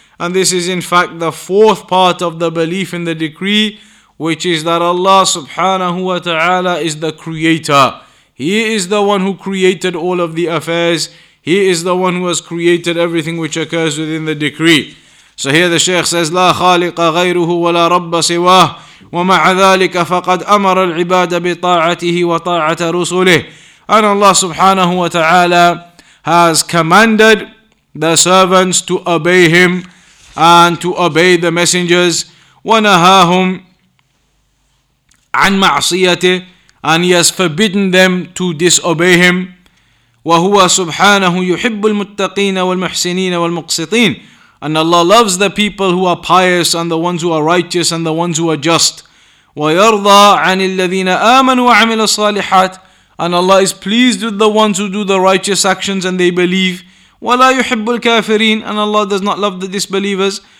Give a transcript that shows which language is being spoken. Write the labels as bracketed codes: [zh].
[en] And this is in fact the fourth part of the belief in the decree, which is that Allah subhanahu wa ta'ala is the creator. He is the one who created all of the affairs. He is the one who has created everything which occurs within the decree. So here the Shaykh says, [ar] لا خالق غيره ولا رب سوى. ومع ذلك فقد أمر العباد بطاعته وطاعة رسله. [en] And Allah subhanahu wa ta'ala has commanded the servants to obey Him and to obey the messengers. [ar] ونهاهم عن معصيته. [en] And He has forbidden them to disobey Him. [ar] وهو سبحانه يحب المتقين والمحسنين والمقسطين. [en] And Allah loves the people who are pious and the ones who are righteous and the ones who are just. [ar] وَيَرْضَى عَنِ الَّذِينَ آمَنُوا وَعَمِلَ الصَّالِحَاتِ. [en] And Allah is pleased with the ones who do the righteous actions and they believe. [ar] وَلَا يُحِبُّ الْكَافِرِينَ. [en] And Allah does not love the disbelievers.